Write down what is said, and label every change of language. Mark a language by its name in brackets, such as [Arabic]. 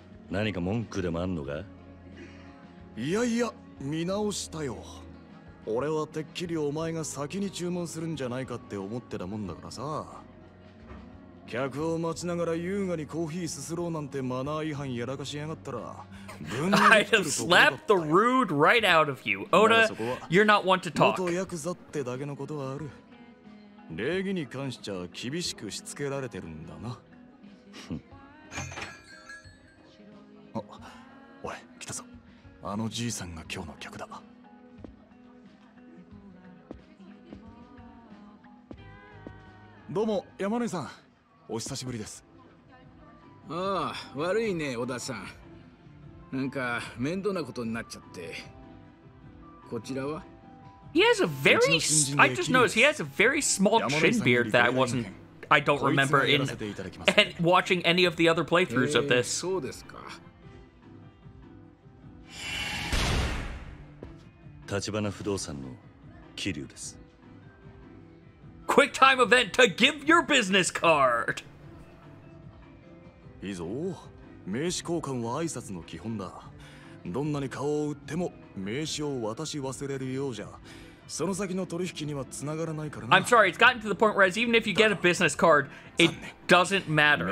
[Japanese] 何か文句でもあんのか？いやいや、見直したよ。俺はてっきりお前が先に注文するんじゃないかって思ってたもんだからさ。客を待ちながら優雅にコーヒーすすろうなんてマナー違反やらかしやがったら。 [English] I have slapped the rude right out of you. Oda, you're not one to talk. [Japanese] 元ヤクザってだけのことはある。礼儀に関しちゃ厳しくしつけられてるんだな。おい、来たぞ。あのじいさんが今日の客だ。どうも、山根さん。お久しぶりです。ああ、悪いね、小田さん。なんか面倒なことになっちゃって。こちらは？ [English] He has a very I just noticed he has a very small chin beard that I don't remember in watching any of the other playthroughs of this. [Japanese] そうですか。立花不動産のキリュウです。 [English] Quick time event to give your business card. [Japanese] いいぞ。名刺交換は挨拶の基本だ。どんなに顔を売っても名刺を渡し忘れるようじゃ、その先の取引には繋がらないからな。 [English] I'm sorry, it's gotten to the point where even if you get a business card, it doesn't matter.